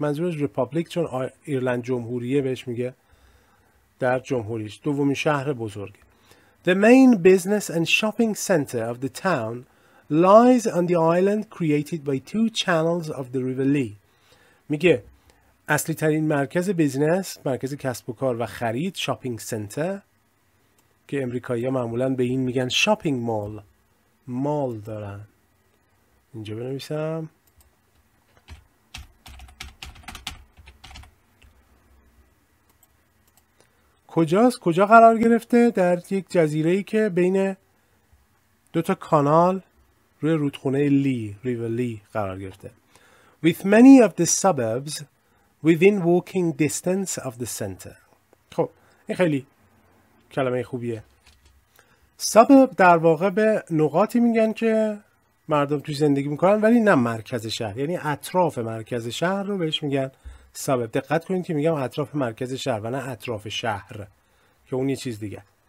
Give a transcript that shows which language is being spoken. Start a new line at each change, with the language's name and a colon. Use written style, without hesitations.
Persian: منظورش Republic، چون ایرلند جمهوریه بهش میگه، در جمهوریش. دومین شهر بزرگ.
English: The main business and shopping center of the town lies on the island created by two channels of the River Lee.
Persian: میگه اصلی ترین مرکز بیزنس، مرکز کسب و کار و خرید، شاپینگ سنتر که امریکایی‌ها معمولاً به این میگن شاپینگ مال، مال دارن. اینجا بنویسم کجاست؟ کجا قرار گرفته؟ در یک جزیره‌ای که بین دو تا کانال روی رودخونه لی، ریور لی قرار گرفته.
English: With many of the suburbs within walking distance of the center.
Persian: خب این خیلی کلمه خوبیه. Suburb در واقع به نقاطی میگن که مردم توی زندگی میکنن، ولی نه مرکز شهر، یعنی اطراف مرکز شهر رو بهش میگن suburb. دقت کنید که میگم اطراف مرکز شهر و نه اطراف شهر، که اون یه چیز دیگه.